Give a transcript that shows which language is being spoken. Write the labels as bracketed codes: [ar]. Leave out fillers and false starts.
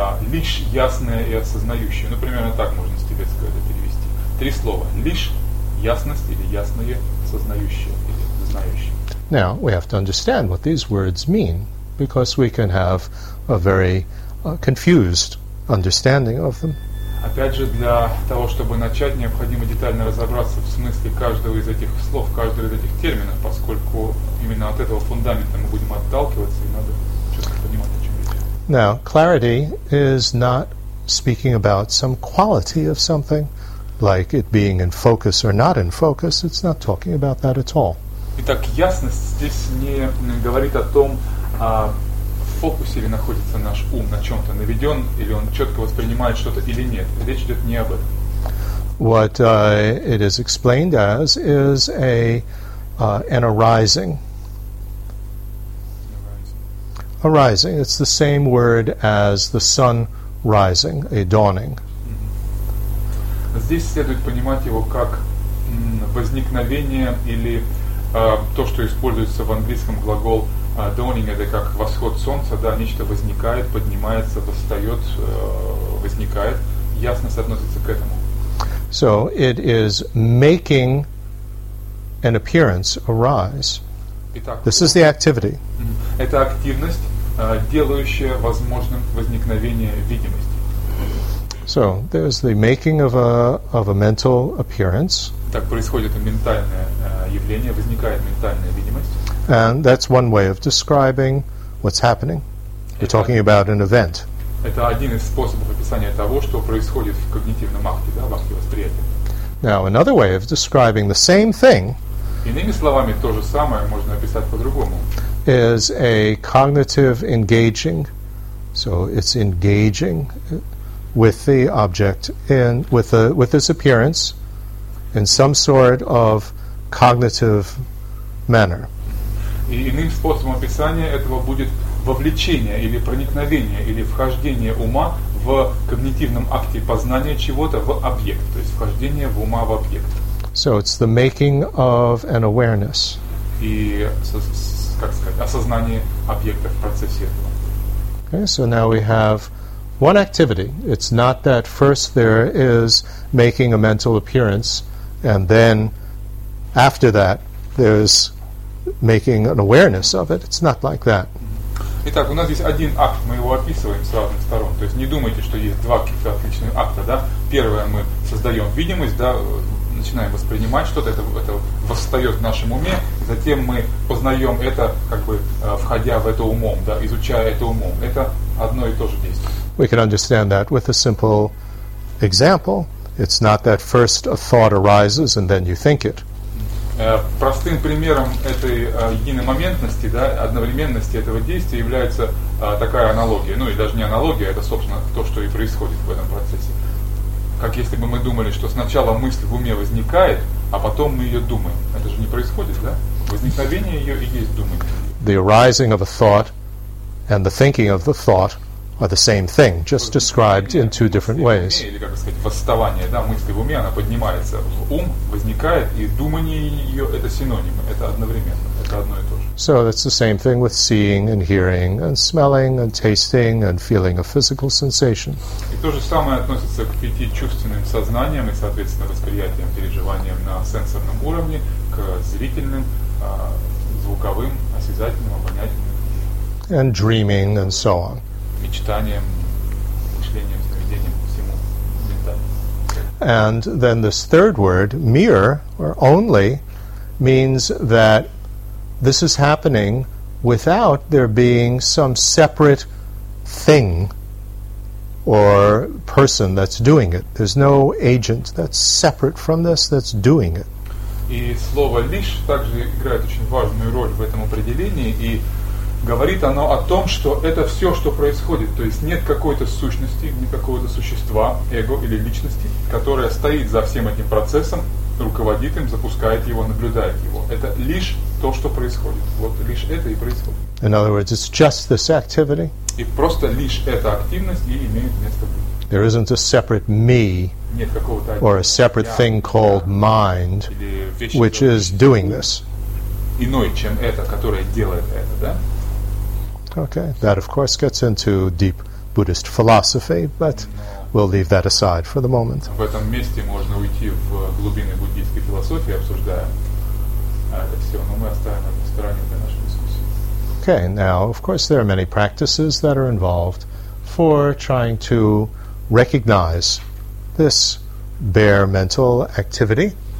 [ru] Лишь ясное и осознающее. Ну, примерно так можно с тибетского это перевести. Три слова. Лишь ясность или ясное, осознающее или знающее. [en] Now, we have to understand what these words mean, because we can have a very confused understanding of them. [ru] Опять же, для того, чтобы начать, необходимо детально разобраться в смысле каждого из этих слов, каждого из этих терминов, поскольку именно от этого фундамента мы будем отталкиваться, и надо четко понимать, о чем речь. [en] Now, clarity is not speaking about some quality of something, like it being in focus or not in focus. It's not talking about that at all. [ru] Итак, ясность здесь не говорит о том, в фокусе ли находится наш ум на чем-то, наведен или он четко воспринимает что-то или нет. Речь идет не об этом. [en] What it is explained as is an arising. Arising. It's the same word as the sun rising, a dawning. Mm-hmm. [ru] Здесь следует понимать его как возникновение или то, что используется в английском глагол dawning, это как восход солнца, да, нечто возникает, поднимается, восстает, возникает. Ясность относится к этому. [en] So, it is making an appearance arise. [ru] Итак, [en] this is the activity. [ru] Это активность, делающая возможным возникновение видимости. [en] So, there's the making of a mental appearance. [ru] Так происходит ментальное явление, возникает ментальная видимость. [en] And that's one way of describing what's happening. We're talking about an event. [ru] Это один из способов описания того, что происходит в когнитивном акте, да, в акте восприятия. [en] Now, another way of describing the same thing, [ru] иными словами, то же самое можно описать по-другому, [en] is a cognitive engaging. So it's engaging with the object and with this appearance in some sort of cognitive manner. [ru] И иным способом описания этого будет вовлечение или проникновение или вхождение ума в когнитивном акте познания чего-то в объект, то есть вхождение в ума в объект. [en] So it's the making of an awareness. [ru] И, как сказать, осознание объекта в процессе этого. [en] Okay, so now we have one activity. It's not that first there is making a mental appearance and then after that there's making an awareness of it. It's not like that. [ru] Итак, у нас здесь один акт, мы его описываем с разных сторон. То есть не думайте, что есть два каких-то отличных акта. Да? Первое, мы создаем видимость, да, начинаем воспринимать что-то, это восстает в нашем уме. Затем мы познаем это, как бы входя в это умом, да, изучая это умом. Это одно и то же действие. [en] We can understand that with a simple example. It's not that first a thought arises and then you think it. [ru] Простым примером этой единой моментности, да, одновременности этого действия является такая аналогия. Ну и даже не аналогия, это, собственно, то, что и происходит в этом процессе. Как если бы мы думали, что сначала мысль в уме возникает, а потом мы ее думаем. Это же не происходит, да? Возникновение ее и есть думание. [en] The arising of a thought and the thinking of the thought are the same thing, just described in two different ways. [ru] Или, как сказать, восставание, да, мысли в уме, она поднимается в ум, возникает, и думание ее – это синонимы, это одновременно, это одно и то же. [en] So it's the same thing with seeing and hearing and smelling and tasting and feeling a physical sensation. [ru] И то же самое относится к пяти чувственным сознаниям и, соответственно, восприятиям, переживаниям на сенсорном уровне, к зрительным, звуковым, осязательным, обонятельным. [en] And dreaming and so on. [ru] Мечтанием, мышлением, сновидением, всему ментально. [en] And then this third word, mere, or only, means that this is happening without there being some separate thing or person that's doing it. There's no agent that's separate from this that's doing it. [ru] И слово «лишь» также играет очень важную роль в этом определении, и говорит оно о том, что это все, что происходит. То есть нет какой-то сущности, ни какого-то существа, эго или личности, которая стоит за всем этим процессом, руководит им, запускает его, наблюдает его. Это лишь то, что происходит. Вот лишь это и происходит. [en] In other words, it's just this activity. [ru] И просто лишь эта активность и имеет место быть. [en] There isn't a separate me or a separate thing called mind, which is doing this. [ru] Иной, чем это, которое делает это, да? [en] Okay, that of course gets into deep Buddhist philosophy, but we'll leave that aside for the moment. [ru] В этом месте можно уйти в глубины буддийской философии, обсуждая это все, но мы оставим это в стороне для нашей дискуссии. [en] Okay, now, of course, there are many practices that are involved for trying to recognize this bare mental activity.